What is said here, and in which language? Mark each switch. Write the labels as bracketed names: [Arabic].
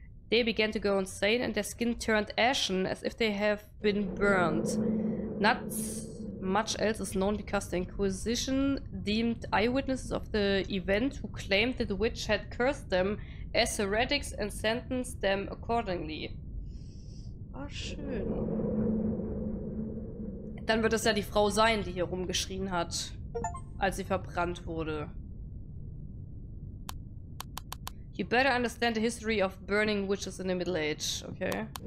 [English] They began to go insane and their skin turned ashen as if they have been burned. Not much else is known because the Inquisition deemed eyewitnesses of the event who claimed that the witch had cursed them as heretics and sentenced them accordingly. [German] Ah, schön. Dann wird es ja die Frau sein, die hier rumgeschrien hat, als sie verbrannt wurde. [English] You better understand the history of burning witches in the Middle Age, okay?